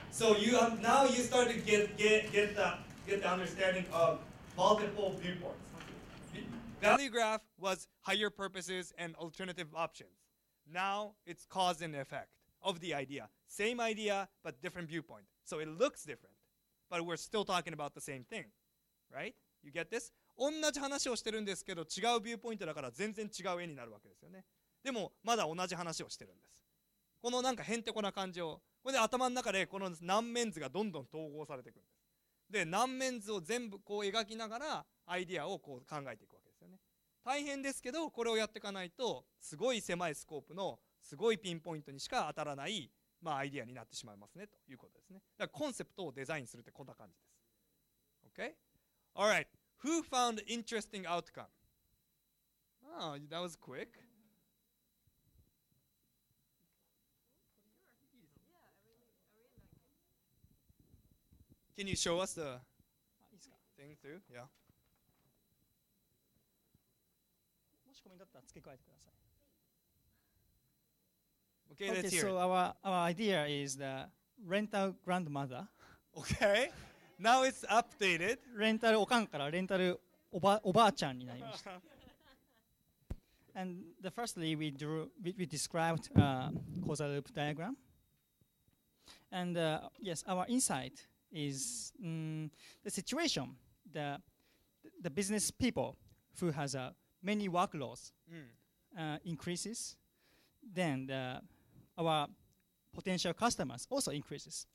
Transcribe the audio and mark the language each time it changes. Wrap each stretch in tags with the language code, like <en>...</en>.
<en>So now you start to get the understanding of multiple viewpoints. Value graph was higher purposes and alternative options. Now it's cause and effect of the idea. Same idea, but different viewpoint. So it looks different, but we're still talking about the same thing. Right? You get this?</en> <ja>同じ話をしてるんですけど、違うビューポイントだから全然違う絵になるわけですよね。でも、まだ同じ話をしてるんです。このなんかへんてこな感じを、これで頭の中でこの何面図がどんどん統合されていくんです。で、何面図を全部こう描きながらアイディアをこう考えていくわけですよね。大変ですけど、これをやっていかないと、すごい狭いスコープのすごいピンポイントにしか当たらない、まあ、アイディアになってしまいますねということですね。だからコンセプトをデザインするってこんな感じです。</ja> <en>Okay? All right. Who found interesting outcome? That was quick. Can you show us the thing too? Yeah.</en> <ja>もしコメントだったら付け加えてください。</ja> <en>Okay, let's hear. Okay, so our idea is the rental grandmother. Okay. Now it's updated.</en> <ja>レンタルおかんからレンタルおばあちゃんになりました。</ja> <en>And the firstly, we drew, we described a causal loop diagram. And yes, our insight is the situation, the business people who has many workloads increases, then our potential customers also increases.</en>